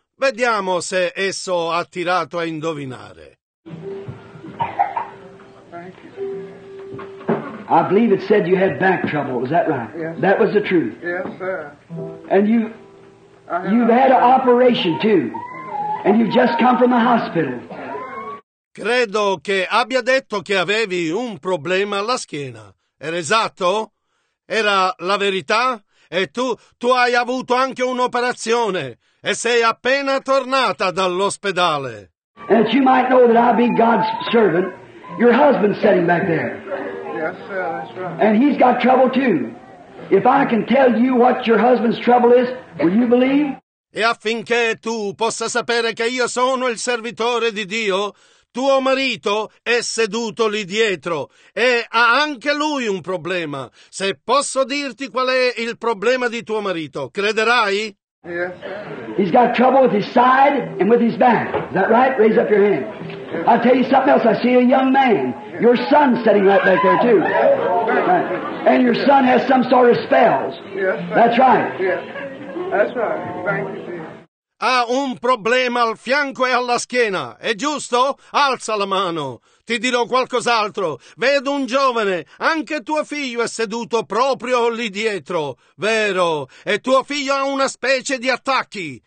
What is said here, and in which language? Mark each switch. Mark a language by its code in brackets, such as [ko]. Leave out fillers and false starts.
[it] Vediamo se esso ha tirato a indovinare. [en] I believe it said you had back trouble, is that right? Yes. That was the truth. Yes, sir. And you've had an operation too, and you've just come from the hospital. [it] Credo che abbia detto che avevi un problema alla schiena. Era esatto? Era la verità? E tu hai avuto anche un'operazione e sei appena tornata dall'ospedale. [en] And you might know that I be God's servant. Your husband's sitting back there. Yes, sir, that's right. And he's got trouble too. If I can tell you what your husband's trouble is, will you believe? [it] E affinché tu possa sapere che io sono il servitore di Dio, tuo marito è seduto lì dietro e ha anche lui un problema. Se posso dirti qual è il problema di tuo marito, crederai? [en] Yes. He's got trouble with his side and with his back. Is that right? Raise up your hand. I'll tell you something else. I see a young man. Your son sitting right back there too. Right. And your son has some sort of spells. Yes. That's right. Yes. That's right. Thank you. [it] Ha un problema al fianco e alla schiena, è giusto? Alza la mano. Ti dirò qualcos'altro. Vedo un giovane, anche tuo figlio è seduto proprio lì dietro. Vero? E tuo figlio ha una specie di attacchi.